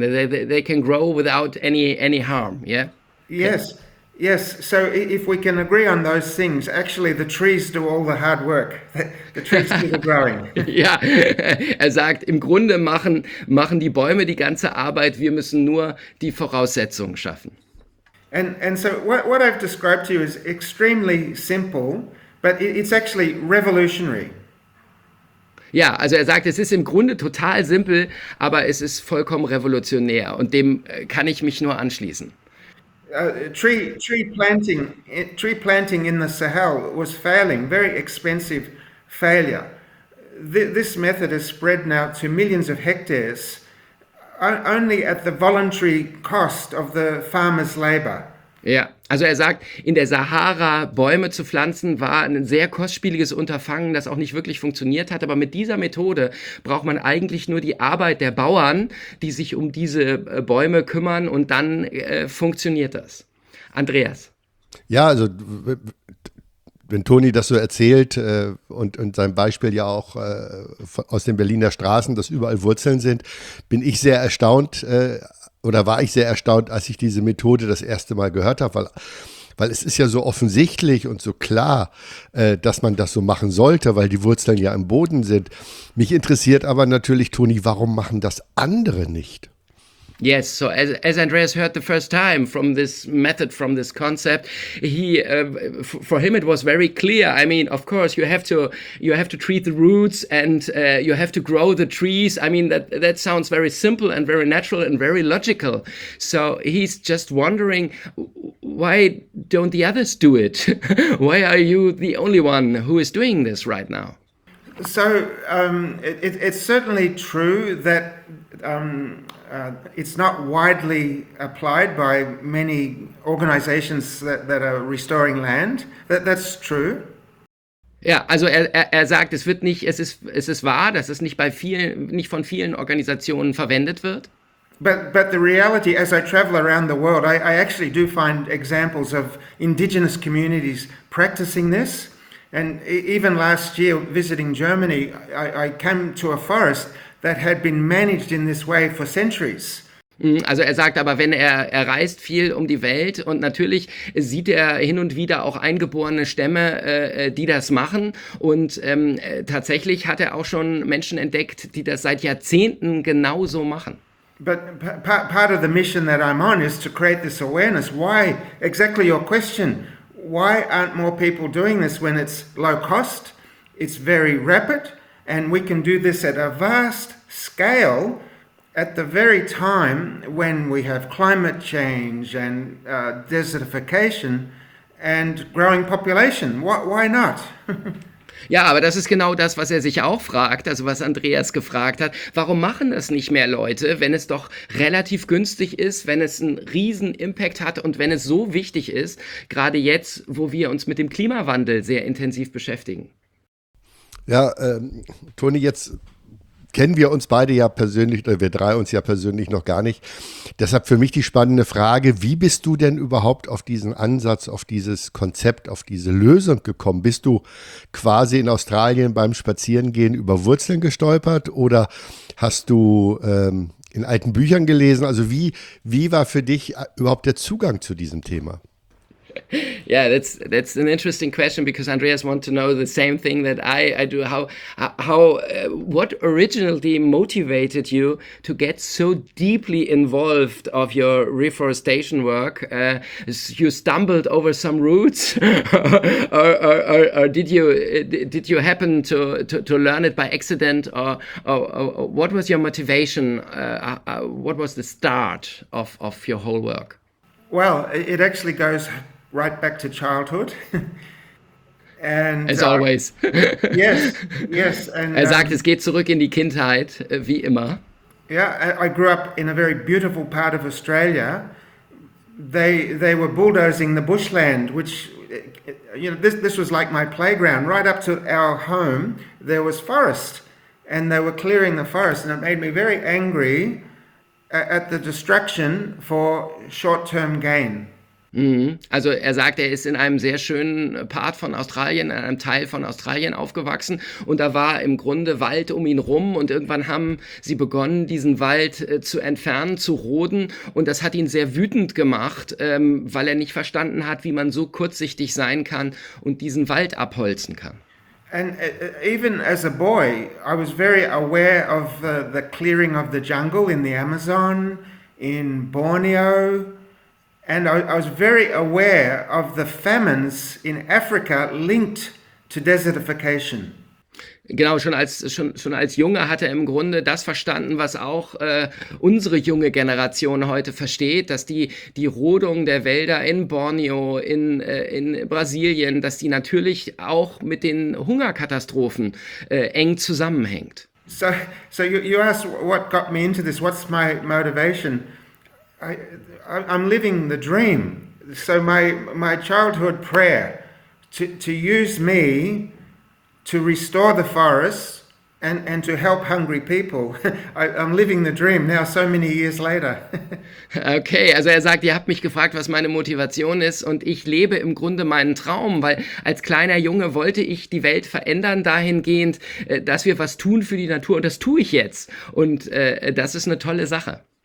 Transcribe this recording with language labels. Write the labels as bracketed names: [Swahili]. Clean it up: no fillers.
[English] They can grow without any harm, yeah? Yes. Okay. Yes, so if we can agree on those things, actually the trees do all the hard work. The trees do the growing. [German] Ja, er sagt, im Grunde machen die Bäume die ganze Arbeit, wir müssen nur die Voraussetzungen schaffen. [English] And so what I've described to you is extremely simple, but it's actually revolutionary. [German] Ja, also er sagt, es ist im Grunde total simpel, aber es ist vollkommen revolutionär und dem kann ich mich nur anschließen. [English] Tree planting in the Sahel was failing, very expensive failure. This method has spread now to millions of hectares, only at the voluntary cost of the farmer's labor. [German] Ja, also er sagt, in der Sahara Bäume zu pflanzen war ein sehr kostspieliges Unterfangen, das auch nicht wirklich funktioniert hat. Aber mit dieser Methode braucht man eigentlich nur die Arbeit der Bauern, die sich um diese Bäume kümmern und dann funktioniert das. Andreas. Ja, also wenn Toni das so erzählt und sein Beispiel ja auch aus den Berliner Straßen, dass überall Wurzeln sind, bin ich sehr erstaunt. Oder war ich sehr erstaunt, als ich diese Methode das erste Mal gehört habe, weil es ist ja so offensichtlich und so klar, dass man das so machen sollte, weil die Wurzeln ja im Boden sind. Mich interessiert aber natürlich, Toni, warum machen das andere nicht? [English] Yes, so as Andreas heard the first time from this method, from this concept, for him it was very clear. I mean, of course, you have to treat the roots and you have to grow the trees. I mean, that sounds very simple and very natural and very logical. So he's just wondering, why don't the others do it? Why are you the only one who is doing this right now? So it's certainly true that it's not widely applied by many organizations that are restoring land. That's true. [German] Ja, also er sagt, es wird nicht, es ist wahr, dass es nicht von vielen Organisationen verwendet wird. [English] But the reality, as I travel around the world, I actually do find examples of indigenous communities practicing this. And even last year, visiting Germany, I came to a forest that had been managed in this way for centuries. [German] Also er sagt aber, wenn er reist viel um die Welt und natürlich sieht er hin und wieder auch eingeborene Stämme, die das machen. Und tatsächlich hat er auch schon Menschen entdeckt, die das seit Jahrzehnten genauso machen. [English] But part of the mission that I'm on is to create this awareness. Why? Exactly your question. Why aren't more people doing this when it's low cost, it's very rapid, and we can do this at a vast scale at the very time when we have climate change and desertification and growing population? Why not? [German] Ja, aber das ist genau das, was er sich auch fragt, also was Andreas gefragt hat. Warum machen das nicht mehr Leute, wenn es doch relativ günstig ist, wenn es einen riesen Impact hat und wenn es so wichtig ist, gerade jetzt, wo wir uns mit dem Klimawandel sehr intensiv beschäftigen? Ja, Toni, jetzt kennen wir uns beide ja persönlich, oder wir drei uns ja persönlich noch gar nicht. Deshalb für mich die spannende Frage, wie bist du denn überhaupt auf diesen Ansatz, auf dieses Konzept, auf diese Lösung gekommen? Bist du quasi in Australien beim Spazierengehen über Wurzeln gestolpert oder hast du in alten Büchern gelesen? Also wie war für dich überhaupt der Zugang zu diesem Thema? [English] Yeah, that's an interesting question because Andreas wants to know the same thing that I do. What originally motivated you to get so deeply involved of your reforestation work? You stumbled over some roots, or did you happen to learn it by accident, or what was your motivation? What was the start of your whole work? Well, it actually goes right back to childhood. And as always. yes. [German] And er sagt, es geht zurück in die Kindheit, wie immer. [English] Yeah, I grew up in a very beautiful part of Australia. They were bulldozing the bushland, which, you know, this was like my playground. Right up to our home, there was forest, and they were clearing the forest, and it made me very angry at the destruction for short-term gain. [German] Also er sagt, er ist in einem sehr schönen Part von Australien, in einem Teil von Australien aufgewachsen und da war im Grunde Wald um ihn rum und irgendwann haben sie begonnen, diesen Wald zu entfernen, zu roden und das hat ihn sehr wütend gemacht, weil er nicht verstanden hat, wie man so kurzsichtig sein kann und diesen Wald abholzen kann. [English] And even as a boy, I was very aware of the clearing of the jungle in the Amazon, in Borneo. And I was very aware of the famines in Africa linked to desertification. [German] Genau, schon als Junge hat er im Grunde das verstanden, was auch unsere junge Generation heute versteht, dass die Rodung der Wälder in Borneo, in Brasilien, dass die natürlich auch mit den Hungerkatastrophen eng zusammenhängt. [English] So you asked what got me into this, what's my motivation? I'm living the dream. So my childhood prayer to use me to restore the forest and to help hungry people. I'm living the dream now so many years later. [German] Okay, also er sagt, ihr habt mich gefragt, was meine Motivation ist und ich lebe im Grunde meinen Traum, weil als kleiner Junge wollte ich die Welt verändern dahingehend, dass wir was tun für die Natur und das tue ich jetzt und das ist eine tolle Sache.